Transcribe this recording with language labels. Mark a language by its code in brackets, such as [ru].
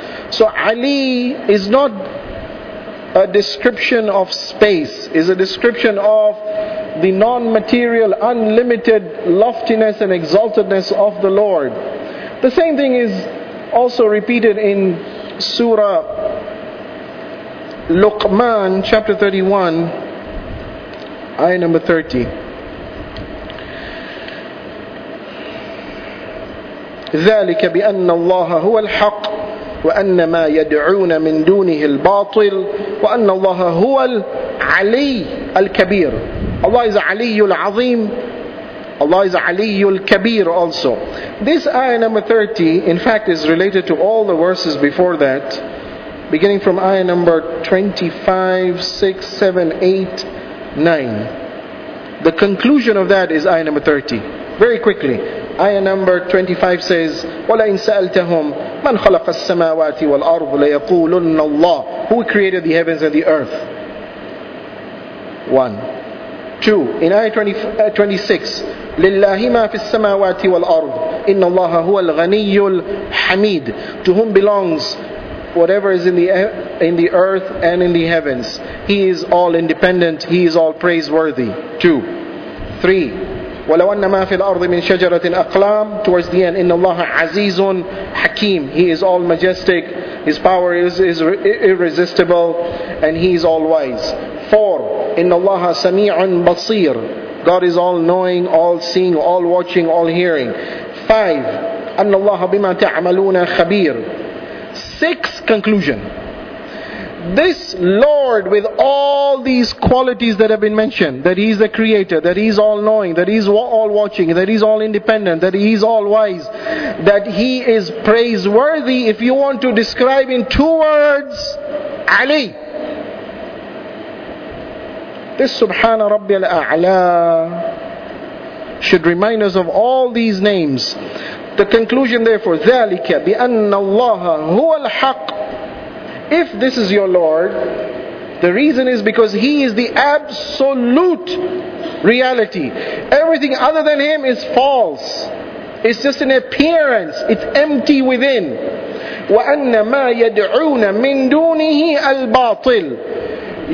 [en] So Ali is not a description of space, is a description of the non-material, unlimited loftiness and exaltedness of the Lord. The same thing is also repeated in Surah Luqman, chapter 31, ayah number 30. [ar] ذلك بأن الله هو الحق وأن ما يدعون من دونه الباطل وأن الله هو العلي الكبير. [en] Allah is Ali al-Azim. Allah is Ali al-Kabir also. This ayah number 30, in fact, is related to all the verses before that, beginning from ayah number 25, 6, 7, 8, 9. The conclusion of that is ayah number 30. Very quickly. Ayah number 25 says, [ar] وَلَئِن سَأَلْتَهُمْ مَنْ خَلَقَ السَّمَاوَاتِ وَالْأَرْضُ لَيَقُولُنَّ اللَّهُ. [en] Who created the heavens and the earth? 1. 2. In ayah 26, [ar] لِلَّهِ مَا فِي السَّمَاوَاتِ وَالْأَرْضُ إِنَّ اللَّهَ هُوَ الْغَنِيُّ الْحَمِيدُ. [en] To whom belongs whatever is in the earth and in the heavens. He is all independent. He is all praiseworthy. 2. 3. [ar] وَلَوْ أَنَّ مَا فِي الْأَرْضِ مِنْ شَجَرَةٍ أَقْلَامٍ. [en] Towards the end, [ar] إِنَّ اللَّهَ عَزِيزٌ حَكِيمٌ. [en] He is all majestic, his power is irresistible, and he is all wise. [ar] 4. إِنَّ اللَّهَ سَمِيعٌ بَصِيرٌ. [en] God is all knowing, all seeing, all watching, all hearing. [ar] 5. أَنَّ اللَّهَ بِمَا تَعْمَلُونَ خَبِيرٌ. [en] 6. Conclusion. This Lord with all these qualities that have been mentioned, that He is the Creator, that He is all-knowing, that He is all-watching, that He is all-independent, that He is all-wise, that He is praiseworthy, if you want to describe in two words, Ali. This Subhana Rabbi al-A'la should remind us of all these names. The conclusion therefore, [ar] ذَلِكَ بِأَنَّ اللَّهَ هُوَ الْحَقِّ. [en] If this is your Lord, the reason is because He is the absolute reality. Everything other than Him is false. It's just an appearance. It's empty within. [ar] وَأَنَّ مَا يَدْعُونَ مِنْ دُونِهِ الْبَاطِلِ.